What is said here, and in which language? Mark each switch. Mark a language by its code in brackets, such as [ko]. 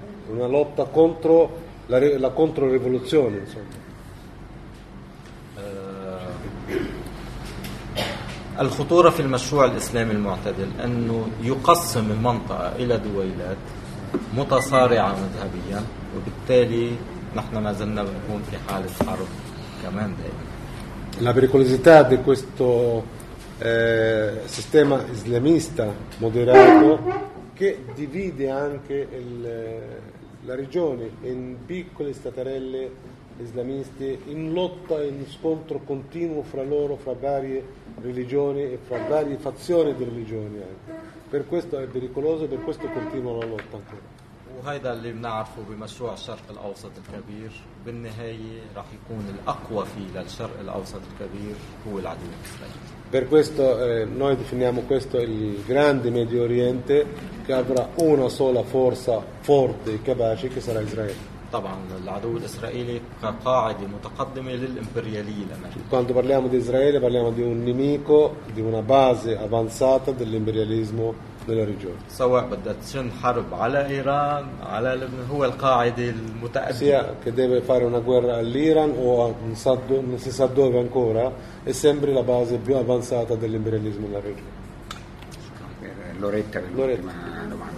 [it] Una lotta contro la controrivoluzione, insomma. [ar] الخطورة في المشروع الإسلامي المعتدل أنه يقسم المنطقة إلى دويلات متصارعة مذهبيا, وبالتالي نحن ما زلنا نكون في حالة حرب كمان دائما. [it] La pericolosità di questo sistema islamista moderato che divide anche la regione in piccole staterelle islamiste in lotta e in scontro continuo fra loro, fra varie religioni e fra varie fazioni di religioni anche. Per questo è pericoloso e per questo continua la lotta ancora. [ar] وهيدا اللي بنعرفه بمشروع الشرق الأوسط الكبير, بالنهاية راح يكون الأقوى فيه للشرق الأوسط الكبير هو العدو الإسرائيلي. [it] Per questo noi definiamo questo il grande Medio Oriente che avrà una sola forza forte e capace che sarà Israele. [ar] طبعا العدو الإسرائيلي كقاعدة متقدمة للإمبريالية الأمريكية. [it] Quando parliamo di Israele parliamo di un nemico, di una base avanzata dell'imperialismo della regione. [ar] سواء بدأت تشن حرب على إيران على هو القاعدة المتأكدة. [it] Sia che deve fare una guerra all'Iran o non si sa dove ancora, è sempre la base più avanzata dell'imperialismo della regione. Loretta, l'ultima domanda.